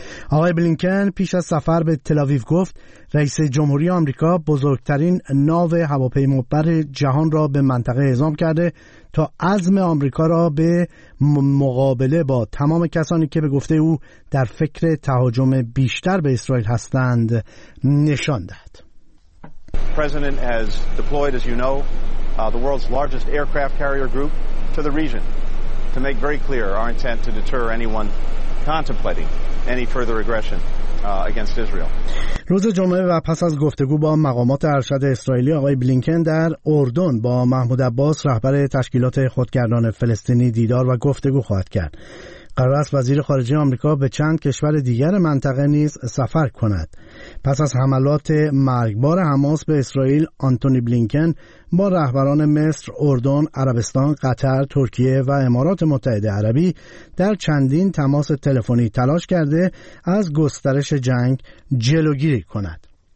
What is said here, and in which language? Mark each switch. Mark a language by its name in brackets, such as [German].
[Persian] آقای بلینکن پیش از سفر به تل آویو گفت رئیس جمهوری آمریکا بزرگترین ناو هواپیمابر جهان را به منطقه اعزام کرده تا عزم آمریکا را به مقابله با تمام کسانی که به گفته او در فکر تهاجم بیشتر به اسرائیل هستند نشان دهد. [English] President has deployed, as you know, the world's largest aircraft carrier group to the region to make very clear our intent to deter anyone contemplating any further aggression against Israel. [Persian] روز جمعه و پس از گفتگو با مقامات ارشد اسرائیلی، آقای بلینکن در اردن با محمود عباس رهبر تشکیلات خودگردان فلسطینی دیدار و گفتگو خواهد کرد. قرار است وزیر خارجه آمریکا به چند کشور دیگر منطقه نیز سفر کند. پس از حملات مرگبار حماس به اسرائیل، آنتونی بلینکن با رهبران مصر، اردن، عربستان، قطر، ترکیه و امارات متحده عربی در چندین تماس تلفنی تلاش کرده از گسترش جنگ جلوگیری کند.